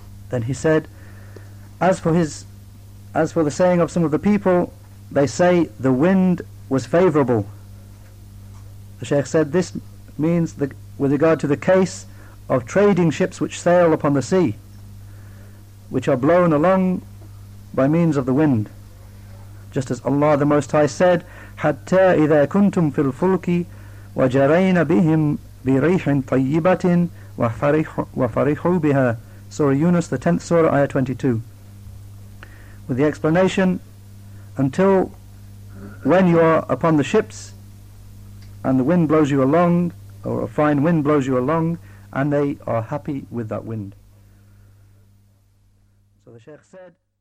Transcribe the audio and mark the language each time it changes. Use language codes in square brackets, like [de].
[en] Then he said, as for the saying of some of the people, they say the wind was favourable. The Shaykh said this means with regard to the case of trading ships which sail upon the sea, which are blown along by means of the wind. Just as Allah the Most High said, [ar] حَتَّى إِذَا كُنْتُمْ فِي الْفُلْكِ وَجَرَيْنَ بِهِمْ بِرِيحٍ طَيِّبَةٍ وَفَرِحُوا بِهَا. [en] Surah Yunus, the 10th Surah, Ayah 22. With the explanation, until when you are upon the ships and the wind blows you along, or a fine wind blows you along, and they are happy with that wind. So the Shaykh said,